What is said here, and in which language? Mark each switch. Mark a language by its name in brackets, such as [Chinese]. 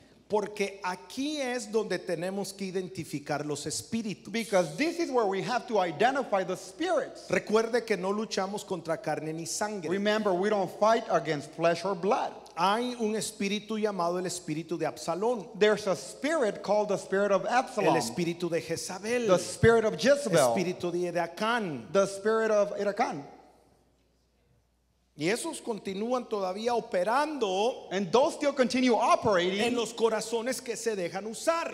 [Spanish] Porque aquí es donde tenemos que identificar los espíritus. [English] Because this is where we have to identify the spirits. [Spanish] Recuerde que no luchamos contra carne ni sangre. [English] Remember, we don't fight against flesh or blood. [Spanish] Hay un espíritu llamado el espíritu de Absalón. [English] There's a spirit called the spirit of Absalom. [Spanish] El espíritu de Jezabel. [English] The spirit of Jezebel. [Spanish] El espíritu de Edacán. [English] The spirit of Edacán. [Spanish] Y esos continúan todavía operando. [English] And those still continue operating. [Spanish] En los corazones que se dejan usar.